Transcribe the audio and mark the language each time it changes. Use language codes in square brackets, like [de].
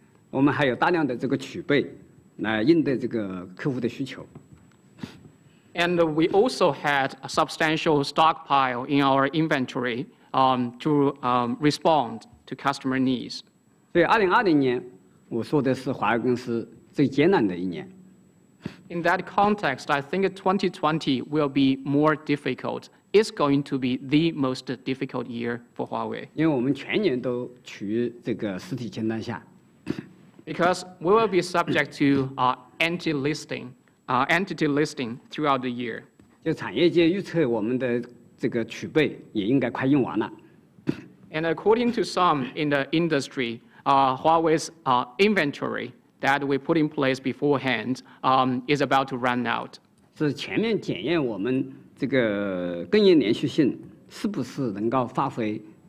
[zh] 我们还有大量的这个储备。来应对这个客户的需求。 [en] And we also had a substantial stockpile in our inventory to respond to customer needs. [zh] 对，2020年，我说的是华为公司最艰难的一年。 [en] In that context, I think 2020 will be more difficult. It's going to be the most difficult year for Huawei. [zh] 因为我们全年都处于这个实体清单下。 [en] Because we will be subject to entity listing throughout the year. [zh] 就产业界预测，我们的这个储备也应该快用完了。 [en] And according to some in the industry, Huawei's inventory that we put in place beforehand is about to run out. [zh] 是全面检验我们这个供应连续性是不是能够发挥